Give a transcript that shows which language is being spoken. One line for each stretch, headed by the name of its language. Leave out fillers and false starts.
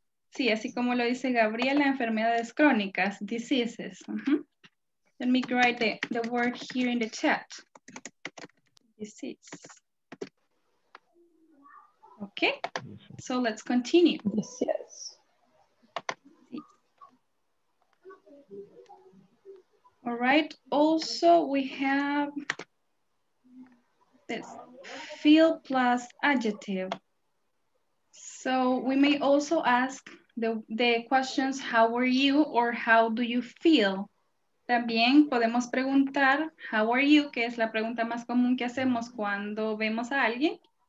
Spanish: Sí, así como lo dice Gabriela, enfermedades crónicas, diseases. Uh-huh.
English: Let me write the word here in the chat. Disease. Okay, so let's continue. Diseases. All right, also we have this feel plus adjective. So we may also ask the questions, how are you or how do you feel?
Spanish: También podemos preguntar,
English: how are you?
Spanish: Que es la pregunta más común que hacemos cuando vemos a alguien.